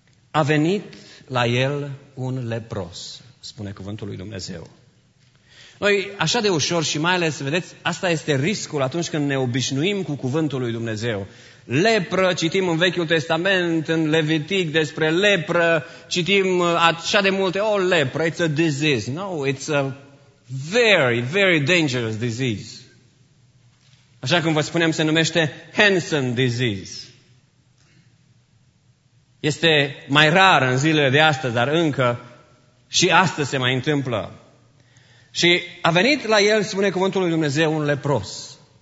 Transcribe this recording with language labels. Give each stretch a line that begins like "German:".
Romanian: A venit la el un lepros, spune cuvântul lui Dumnezeu. Noi, așa de ușor și mai ales, vedeți, asta este riscul atunci când ne obișnuim cu cuvântul lui Dumnezeu. Lepră, citim în Vechiul Testament, în Levitic despre lepră, citim așa de multe, oh, lepră,
English: it's a disease. No, it's a very, very dangerous disease.
Romanian: Așa cum vă spuneam, se numește Hansen disease. Este mai rar în zilele de astăzi, dar încă și astăzi se mai întâmplă. Și a venit la el, spune cuvântul lui Dumnezeu, un lepros.